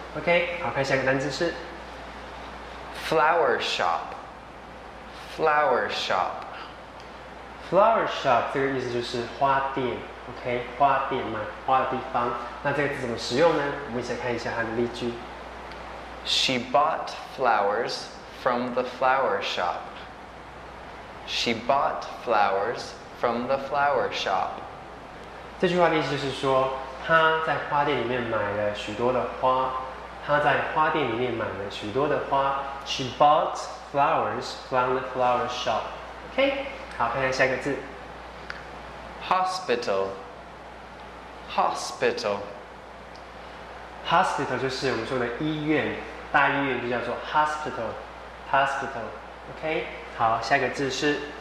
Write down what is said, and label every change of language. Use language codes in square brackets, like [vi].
[zh] OK， 好，看下一个单词是 [en] flower shop。 Flower shop。 [zh] Flower shop 这个意思就是花店。OK， 花店嘛，花的地方。那这个字怎么使用呢？我们一起来看一下它的例句。 [en] She bought flowers from the flower shop. She bought flowers from the flower shop. [zh] 这句话的意思就是说，她在花店里面买了许多的花。她在花店里面买了许多的花。 [en] She bought flowers from the flower shop. [zh] OK， 好，看一下下一个字。 [en] Hospital. Hospital. [zh] Hospital 就是我们说的医院，大医院就叫做 hospital，hospital， OK， 好，下一个字是